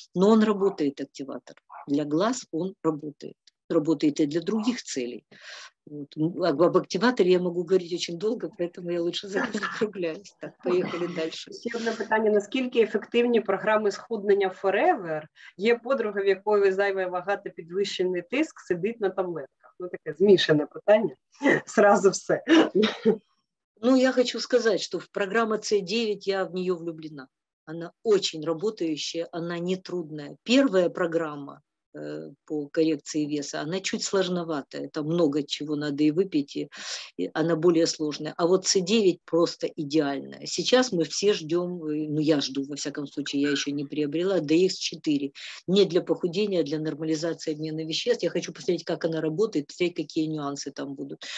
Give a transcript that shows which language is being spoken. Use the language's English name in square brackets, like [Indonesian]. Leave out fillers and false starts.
[Russian] Но он работает, активатор. Для глаз он работает. Работает и для других целей. Вот. Об активаторе я могу говорить очень долго, поэтому я лучше закругляюсь. Так, поехали дальше. [Ukrainian] Ще одне питання. Наскільки ефективні програми схуднення Forever? Є подруга, в якої зайве вага та підвищений тиск, сидить на таблетках. Ну, таке змішане питання. [Russian] Сразу все. [Ukrainian] Ну, я хочу сказати, що в програму C9 я в неї влюблена. Вона дуже працююча, вона не трудна. Перша програма по [Russian] коррекции веса. Она чуть сложноватая. Там много чего надо и выпить, и она более сложная. А вот C9 просто идеальная. Сейчас мы все ждем, ну я жду, во всяком случае, я еще не приобрела, DX4. Не для похудения, а для нормализации обмена веществ. Я хочу посмотреть, как она работает, посмотреть, какие нюансы там будут.